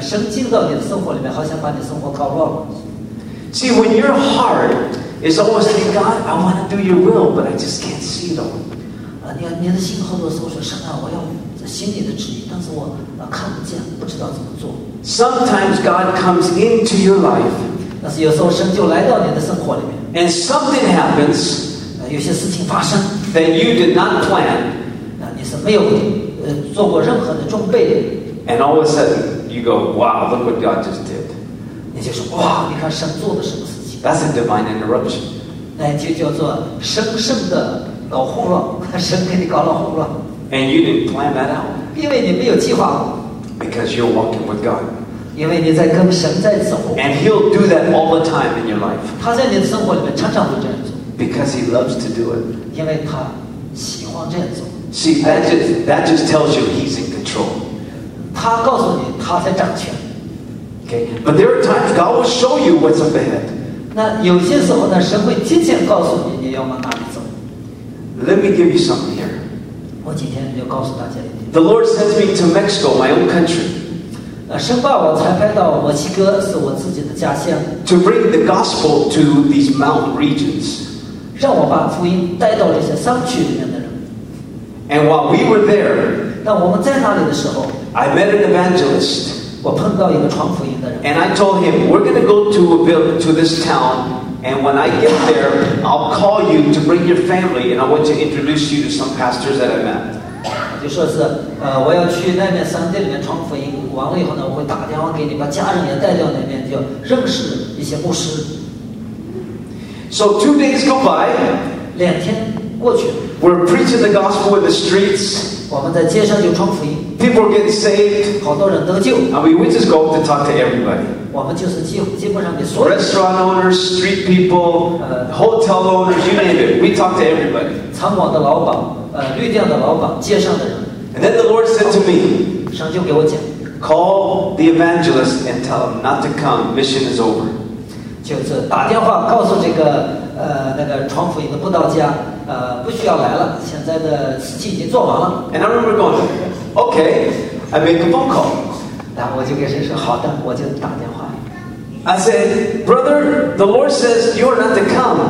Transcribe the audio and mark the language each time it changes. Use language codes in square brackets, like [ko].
[zh] 生进到你的生活里面，好像把你的生活搞乱了。 [en] See, when your heart is always saying, God, I want to do your will, but I just can't see it all. [zh] 你的心好多时候说，神啊，我要心里的旨意，但是我看不见，不知道怎么做。 [en] Sometimes God comes into your life. [zh] 但是有时候神就来到你的生活里面。 [en] And something happens. [zh] 有些事情发生。 [en] That you did not plan. [zh] 你是没有做过任何的准备。 [en] And all of a sudden, you go, wow, look what God just did. [zh] 你就说哇，你看神做的什么事情 [en] ？That's a divine interruption. [zh] 那就叫做神圣的搞混乱，神给你搞了混乱。 [en] And you didn't plan that out. [zh] 因为你没有计划。 [en] Because you're walking with God. [zh] 因为你在跟神在走。 [en] And He'll do that all the time in your life. [zh] 他在你的生活里面常常会这样做。 [en] Because He loves to do it. [zh] 因为他喜欢这样做。 [en] See, that just tells you He's in control. [zh] 他告诉你他在掌权。 [en] Okay. But there are times God will show you what's up ahead. [zh] 那有些时候呢，神会提前告诉你你要往哪里走。 [en] Let me give you something here. [zh] 我今天要告诉大家一点。 [en] The Lord sent me to Mexico, my own country. [zh] 神把我差派到墨西哥，是我自己的家乡。 [en] To bring the gospel to these mountain regions. [zh] 让我把福音带到这些山区里面的人。 [en] And while we were there, [zh] 那我们在那里的时候 [en] ，I met an evangelist. [zh] 我碰到一个传福音的人 [en] and I told him we're going to go to a village to this town and when I get there I'll call you to bring your family and I want to introduce you to some pastors that I met [zh] 就说是我要去那边山地里面传福音完了以后呢我会打电话给你把家人也带到那边就认识一些牧师 [en] so 2 days go by [zh] 两天过去 [en] we're preaching the gospel in the streets [zh] 我们在街上就传福音 [en] People get saved. [zh] 好多人得救 [en] I mean, we just go up to talk to everybody. [zh] 我们就是基本上给所有 [en] restaurant owners, street people, hotel owners, you name it. We talk to everybody. [zh] 餐馆的老板，旅店的老板，街上的人。 [en] And then the Lord said to me, [zh] 神就给我讲 [en] call the evangelist and tell him not to come. Mission is over. [zh] 就是打电话告诉这个传福音的布道家，不需要来了，现在的事情已经做完了。 [en] And I remember going. Okay, I make a phone call. [zh] 然后我就给神说好的，我就打电话。 [en] I said, brother, the Lord says you are not to come.